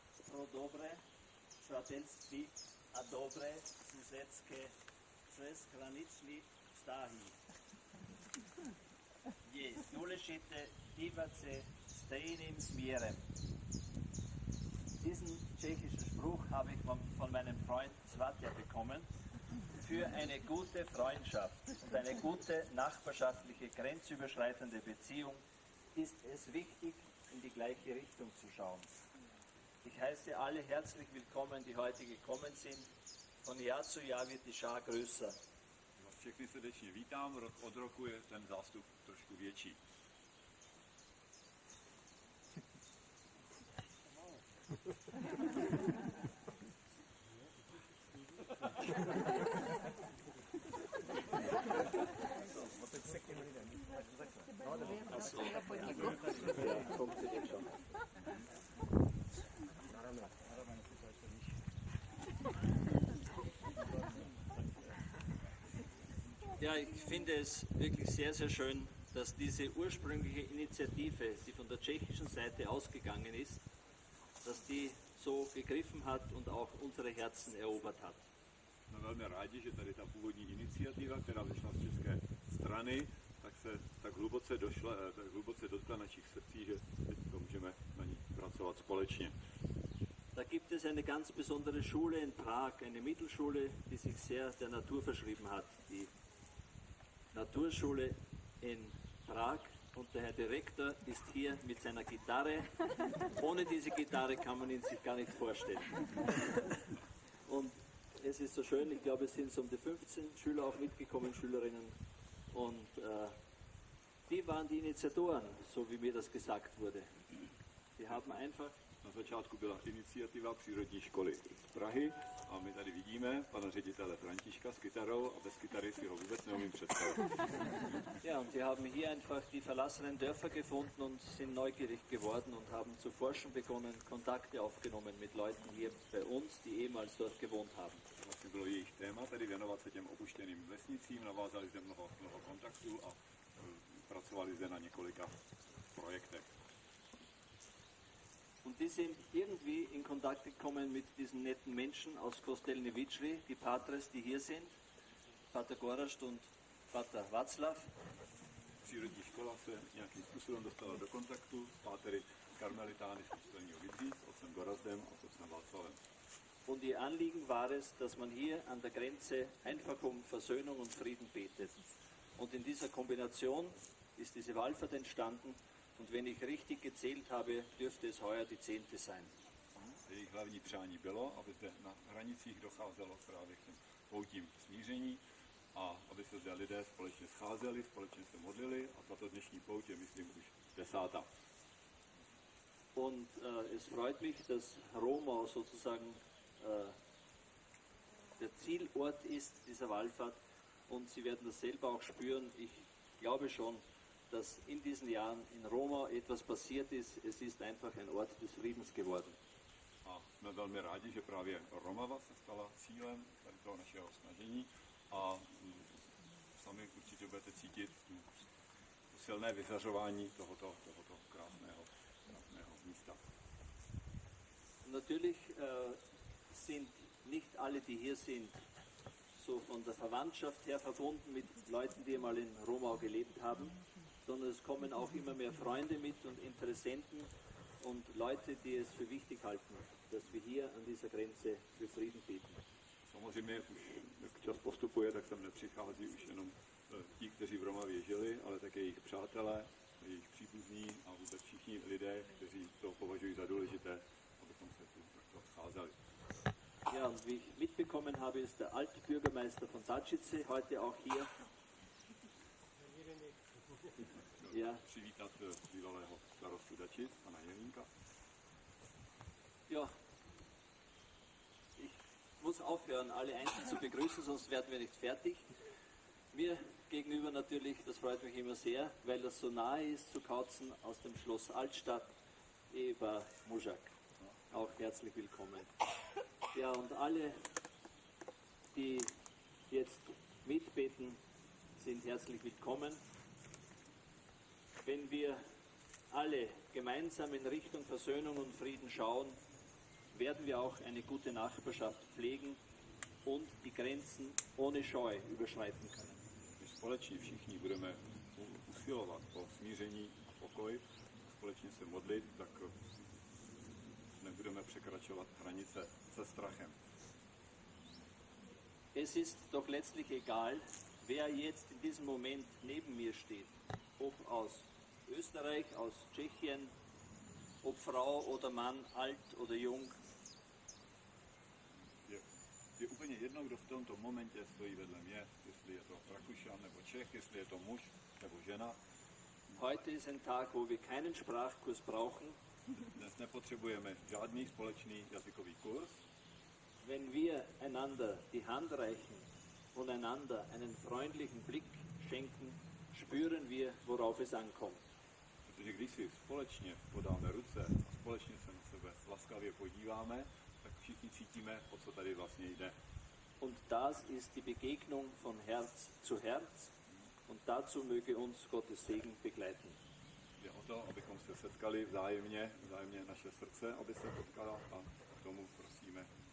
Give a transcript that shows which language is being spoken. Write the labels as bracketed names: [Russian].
[Czech] Pro dobré přátelství a dobré sousedské přeshraniční vztahy. Je důležité dívat se stejným směrem. [German] Diesen tschechischen Spruch habe ich von meinem Freund Svatja bekommen. Für eine gute Freundschaft und eine gute nachbarschaftliche grenzüberschreitende Beziehung ist es wichtig, in die gleiche Richtung zu schauen. Ich heiße alle herzlich willkommen, die heute gekommen sind. Von Jahr zu Jahr wird die Schar größer. [Czech] Všechny srdečně vítám, rok od roku je ten zástup trošku větší. [German] Ja, ich finde es wirklich sehr, sehr schön, dass diese ursprüngliche Initiative, die von der tschechischen Seite ausgegangen ist, dass die so gegriffen hat und auch unsere Herzen erobert hat. [Czech] Na, velmi rádi, že tady ta původní iniciativa, která vyšla z české strany, tak se tak hluboce došla, tak hluboce dotkla našich srdcí, že teď to můžeme na ní pracovat společně. [German] Da gibt es eine ganz besondere Schule in Prag, eine Mittelschule, die sich sehr der Natur verschrieben hat, die Naturschule in Prag. Und der Herr Direktor ist hier mit seiner Gitarre. Ohne diese Gitarre kann man ihn sich gar nicht vorstellen. Und es ist so schön, ich glaube, es sind so um die 15 Schüler auch mitgekommen, Schülerinnen. Und die waren die Initiatoren, so wie mir das gesagt wurde. Die haben einfach... [Czech] Na začátku byla iniciativa Přírodní školy z Prahy a my tady vidíme pana ředitele Františka s kytarou a bez kytary si ho vůbec neumím představit. [German] Ja, und wir haben hier einfach die verlassenen Dörfer gefunden und sind neugierig geworden und haben zu forschen begonnen, Kontakte aufgenommen mit Leuten hier bei uns, die ehemals dort gewohnt haben. [Czech] Vlastně bylo jejich téma tady věnovat se těm opuštěným vesnicím, navázali zde mnoho kontaktů a pracovali zde na několika projektech. [German] Und die sind irgendwie in Kontakt gekommen mit diesen netten Menschen aus Kostelnivitschli, die Patres, die hier sind, Pater Gorast und Pater Václav. [Czech] Přírodní škola se nějakým způsobem dostala do kontaktu s páteri karmelitány z Kostelního Vidří, s otcem Gorazdem a s otcem Václavem. [German] Und ihr Anliegen war es, dass man hier an der Grenze einfach um Versöhnung und Frieden betet. Und in dieser Kombination ist diese Wallfahrt entstanden. Und wenn ich richtig gezählt habe, dürfte es heuer die 10. sein. [Czech] Jejich hlavní přání bylo, aby se na hranicích docházelo právě k těm poutím smíření a aby se zde lidé společně scházeli, společně se modlili a tato dnešní pout je, myslím, už 10. [German] Und es freut mich, dass Roma sozusagen der Zielort ist dieser Wallfahrt und Sie werden das selber auch spüren. Ich glaube schon, dass in diesen Jahren in Roma etwas passiert ist. Es ist einfach ein Ort des Friedens geworden. [Czech] A jsme velmi rádi, že právě Romava se stala cílem tady toho našeho snažení a sami určitě budete cítit to silné vyzařování tohoto krásného místa. [German] Natürlich sind nicht alle, die hier sind, so von der Verwandtschaft her verbunden mit Leuten, die mal in Romau gelebt haben, sondern es kommen auch immer mehr Freunde mit und Interessenten und Leute, die es für wichtig halten, dass wir hier an dieser Grenze für Frieden bieten. [Czech] Samozřejmě, už, jak čas postupuje, tak sem nepřichází už jenom ti, kteří v Romavě žili, ale také jejich přátelé, jejich příbuzní a vůbec všichni lidé, kteří to považují za důležité, abychom se tu takto scházeli. [German] Ja, und wie ich mitbekommen habe, ist der alte Bürgermeister von Tačice heute auch hier. Ja. [Czech] Přivítat bývalého starostu Tačic, pana Jelínka. [German] Ja. Ich muss aufhören, alle einzeln zu begrüßen, sonst werden wir nicht fertig. Mir gegenüber natürlich, das freut mich immer sehr, weil das so nahe ist, zu kauzen aus dem Schloss Altstadt, Eber Mužak. Auch herzlich willkommen. Ja, und alle, die jetzt mitbeten, sind herzlich willkommen. Wenn wir alle gemeinsam in Richtung Versöhnung und Frieden schauen, werden wir auch eine gute Nachbarschaft pflegen und die Grenzen ohne Scheu überschreiten können. Wir [Czech] společně všichni budeme usilovat o smíření, o pokoj, společně se modlit, tak nebudeme překračovat hranice. [German] Es ist doch letztlich egal, wer jetzt in diesem Moment neben mir steht, ob aus Österreich, aus Tschechien, ob Frau oder Mann, alt oder jung. [Czech] Je úplně jedno, kdo v tomto momentě stojí vedle mě, jestli je to Rakušan nebo Čech, jestli je to muž nebo žena. [German] Heute ist ein Tag, wo wir keinen Sprachkurs brauchen. [Czech] Dnes nepotřebujeme žádný společný jazykový kurz. [German] Wenn wir einander die Hand reichen und einander einen freundlichen Blick schenken, spüren wir, worauf es ankommt. [Czech] Protože když si společně podáme ruce a společně se na sebe laskavě podíváme, tak všichni cítíme, o co tady vlastně jde. [German] Und das ist die Begegnung von Herz zu Herz und dazu möge uns Gottes Segen begleiten. [Czech] Jde o to, abychom se setkali vzájemně naše srdce, aby se potkala a k tomu prosíme.